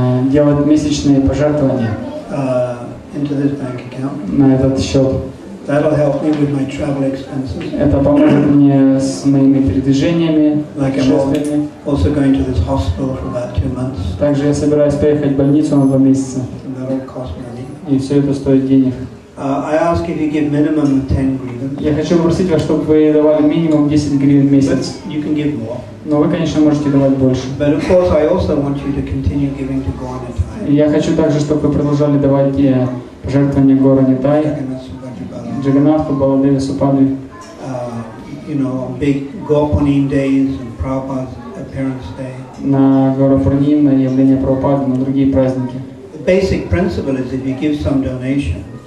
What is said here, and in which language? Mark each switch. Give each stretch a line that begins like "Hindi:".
Russian: делать месячные пожертвования
English: into this bank account.
Russian: На этот счет.
English: That'll help me with my travel expenses.
Russian: Это поможет мне с моими передвижениями.
English: Like I'm also going to this hospital for about 2 months.
Russian: Также я собираюсь поехать в больницу на 2 месяца.
English: And that'll cost money.
Russian: И все это стоит денег.
English: I ask if you give minimum 10 гривен.
Russian: Я хочу попросить вас, чтобы вы давали минимум 10 гривен в месяц.
English: But you can give more.
Russian: Но вы, конечно, можете давать больше.
English: But of course, I also want you to continue giving to God and I.
Russian: Я хочу также, чтобы вы продолжали давать и пожертвования Гору Нитай. Джаганнатху, Баладеве, Супаде.
English: You know, on big Gopunim days and Prabhupada's appearance day.
Russian: На Гору Пурним, на явление Прабхупады, на другие праздники.
English: The basic principle is if you give some donation.